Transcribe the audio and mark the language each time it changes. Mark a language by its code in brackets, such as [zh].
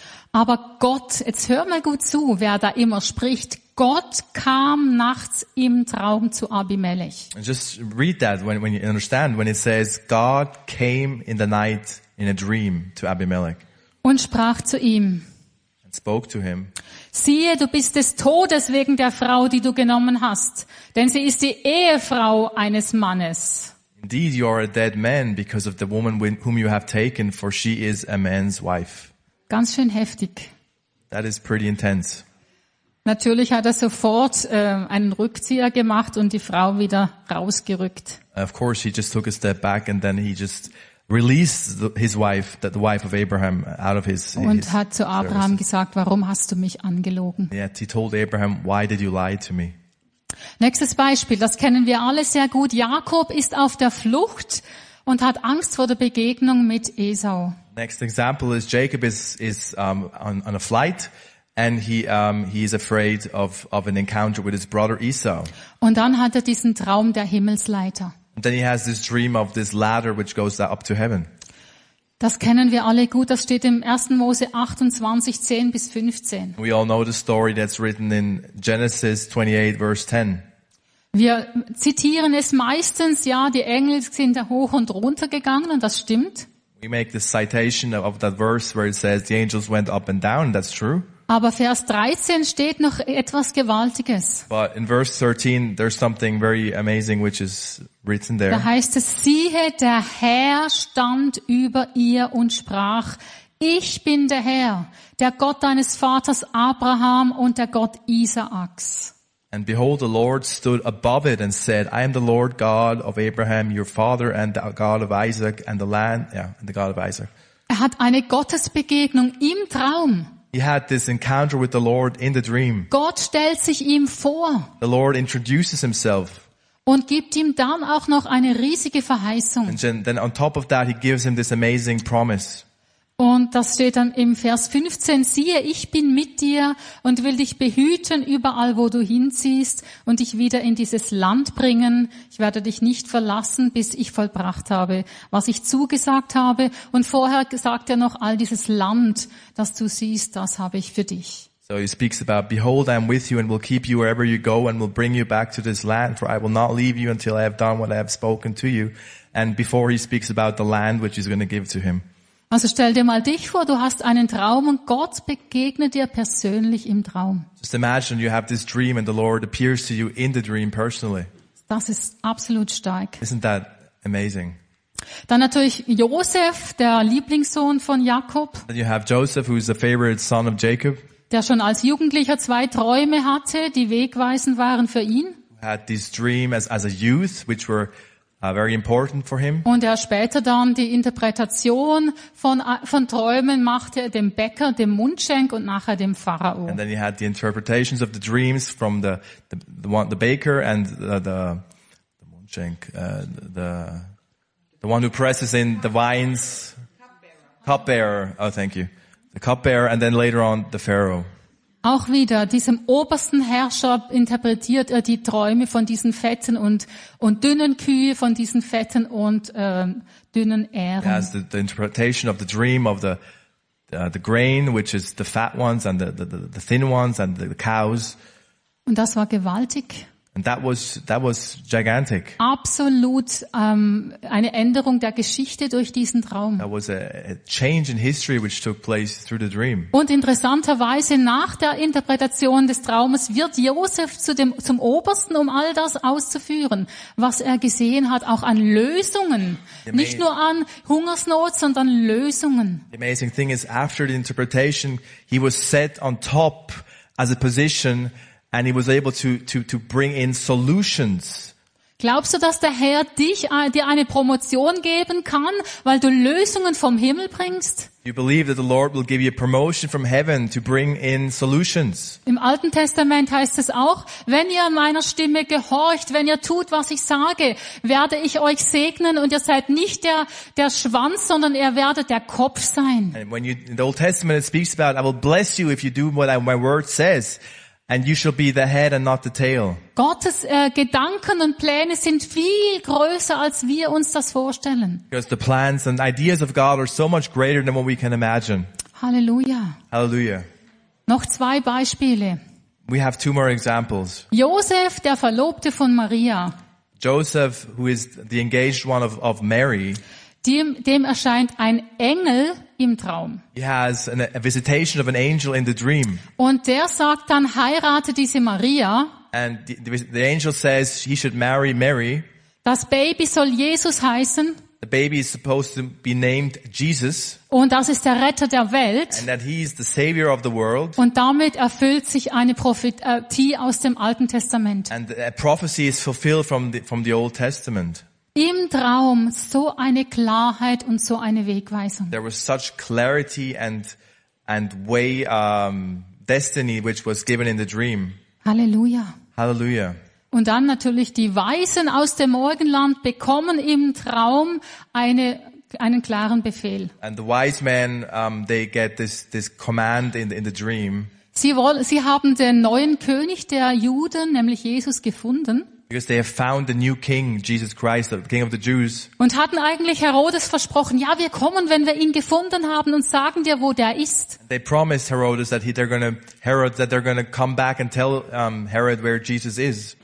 [de] Aber Gott, jetzt hör mal gut zu, wer da immer spricht. Gott kam nachts im Traum zu Abimelech. [en] And just read that when you understand when it says God came in the night in a dream to Abimelech. [de] Und sprach zu ihm. [en] And spoke to him. [de] Siehe, du bist des Todes wegen der Frau, die du genommen hast, denn sie ist die Ehefrau eines Mannes. [en] Indeed, you are a dead man because of the woman whom you have taken, for she is a man's wife. [de] Ganz schön heftig. [en] That is pretty intense. [de] Natürlich hat er sofort einen Rückzieher gemacht und die Frau wieder rausgerückt. [en] Of course he just took a step back and then he just released his wife, the wife of Abraham, out of his service. [de] Und hat zu Abraham gesagt, warum hast du mich angelogen? [en] Yet he told Abraham, why did you lie to me? [de] Nächstes Beispiel, das kennen wir alle sehr gut. Jakob ist auf der Flucht und hat Angst vor der Begegnung mit Esau. [en] Next example is Jacob is on a flight And he is afraid of an encounter with his brother Esau. [de] Und dann hat er diesen Traum der Himmelsleiter. [en] And then he has this dream of this ladder which goes up to heaven. [de] Das kennen wir alle gut, das steht im 1. Mose 28, 10 bis 15. [en] We all know the story that's written in Genesis 28, verse 10. [de] Wir zitieren es meistens, ja, die Engel sind da hoch und runter gegangen, und das stimmt. [en] We make the citation of that verse where it says the angels went up and down, that's true. [de] Aber Vers 13 steht noch etwas Gewaltiges. [en] But in verse 13 there's something very amazing which is written there. [de] Da heißt es, siehe, der Herr stand über ihr und sprach, ich bin der Herr, der Gott deines Vaters Abraham und der Gott Isaaks. [en] And behold, the Lord stood above it and said, I am the Lord God of Abraham, your father, and the God of Isaac, and the land, yeah, and the God of Isaac. [de] Er hat eine Gottesbegegnung im Traum. [en] He had this encounter with the Lord in the dream. [de] Gott stellt sich ihm vor. [en] The Lord introduces himself. [de] Und gibt ihm dann auch noch eine riesige Verheißung. [en] And then on top of that, he gives him this amazing promise. [de] Und das steht dann im Vers 15, siehe, ich bin mit dir und will dich behüten überall, wo du hinziehst und dich wieder in dieses Land bringen. Ich werde dich nicht verlassen, bis ich vollbracht habe, was ich zugesagt habe. Und vorher sagt er noch, all dieses Land, das du siehst, das habe ich für dich. [en] So he speaks about, behold, I am with you and will keep you wherever you go and will bring you back to this land, for I will not leave you until I have done what I have spoken to you. And before he speaks about the land, which he's going to give to him. [de] Also stell dir mal dich vor, du hast einen Traum und Gott begegnet dir persönlich im Traum. [en] Just imagine you have this dream and the Lord appears to you in the dream personally. [de] Das ist absolut stark. [en] Isn't that amazing? [de] Dann natürlich Josef, der Lieblingssohn von Jakob. [en] Then you have Joseph, who is the favorite son of Jacob. [de] Der schon als Jugendlicher zwei Träume hatte, die wegweisend waren für ihn. [en] Had this dream as a youth, which were very important for him. [de] Und er später dann die Interpretation von Träumen machte dem Bäcker, dem Mundschenk und nachher dem Pharao. [en] And then he had the interpretations of the dreams from the baker and the Mundschenk, the one who presses in the wines, cupbearer. Oh, thank you. The cupbearer and then later on the Pharaoh. [de] Auch wieder, diesem obersten Herrscher interpretiert er die Träume von diesen fetten und dünnen Kühe, von diesen fetten und dünnen Ähren. [en] Yes, the interpretation of the dream of the grain, which is the fat ones and the thin ones and the cows. [de] Und das war gewaltig. [en] And that was gigantic. [de] Absolut eine Änderung der Geschichte durch diesen Traum. [en] That was a change in history which took place through the dream. [de] Und interessanterweise nach der Interpretation des Traumes wird Josef zum Obersten, um all das auszuführen, was er gesehen hat, auch an Lösungen, nicht nur an Hungersnot, sondern Lösungen. [en] The amazing thing is, after the interpretation, he was set on top as a position. And he was able to bring in solutions. [de] Glaubst du, dass der Herr dir eine Promotion geben kann, weil du Lösungen vom Himmel bringst? [en] You believe that the Lord will give you a promotion from heaven to bring in solutions. [de] Im Alten Testament heißt es auch, wenn ihr meiner Stimme gehorcht, wenn ihr tut, was ich sage, werde ich euch segnen und ihr seid nicht der Schwanz, sondern ihr werdet der Kopf sein. [en] And when in the Old Testament it speaks about, I will bless you if you do what my word says. And you shall be the head and not the tail. [de] Gottes Gedanken und Pläne sind viel größer, als wir uns das vorstellen. [en] Because the plans and ideas of God are so much greater than what we can imagine. [de] Halleluja. [en] Halleluja. [de] Noch zwei Beispiele. [en] We have two more examples. [de] Josef, der Verlobte von Maria. [en] Joseph, who is the engaged one of Mary. [de] Dem erscheint ein Engel im Traum. [en] He has a visitation of an angel in the dream. [de] Und der sagt dann, heirate diese Maria. [en] And the angel says he should marry Mary. [de] Das Baby soll Jesus heißen. [en] The baby is supposed to be named Jesus. [de] Und das ist der Retter der Welt. [en] And that he is the savior of the world. [de] Und damit erfüllt sich eine Prophetie aus dem Alten Testament. [en] And a prophecy is fulfilled from the Old Testament. [de] Im Traum so eine Klarheit und so eine Wegweisung. [en] There was such clarity and way destiny which was given in the dream. [de] Halleluja. [en] Halleluja. [de] Und dann natürlich die Weisen aus dem Morgenland bekommen im Traum einen klaren Befehl. [en] And the wise men they get this command in the dream. [de] Sie haben den neuen König der Juden, nämlich Jesus, gefunden. [en] Because they have found the new king, Jesus Christ, the king of the Jews. [de] Und hatten eigentlich Herodes versprochen, ja, wir kommen, wenn wir ihn gefunden haben und sagen dir, wo der ist. [en] They promised Herodes that they're gonna come back and tell Herod where Jesus is.